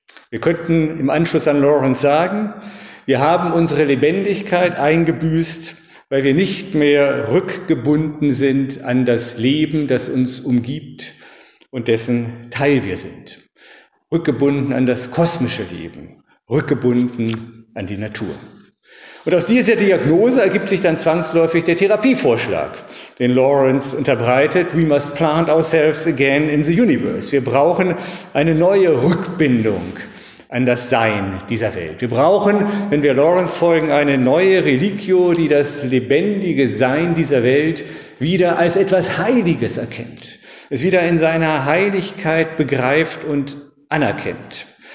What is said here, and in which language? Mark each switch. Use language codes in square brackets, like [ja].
[de] Wir könnten im Anschluss an Lawrence sagen, wir haben unsere Lebendigkeit eingebüßt, weil wir nicht mehr rückgebunden sind an das Leben, das uns umgibt und dessen Teil wir sind. Rückgebunden an das kosmische Leben, rückgebunden an die Natur. Und aus dieser Diagnose ergibt sich dann zwangsläufig der Therapievorschlag, den Lawrence unterbreitet. [en] We must plant ourselves again in the universe. [de] Wir brauchen eine neue Rückbindung an das Sein dieser Welt. Wir brauchen, wenn wir Lawrence folgen, eine neue Religio, die das lebendige Sein dieser Welt wieder als etwas Heiliges erkennt. es wieder in seiner Heiligkeit begreift und anerkennt.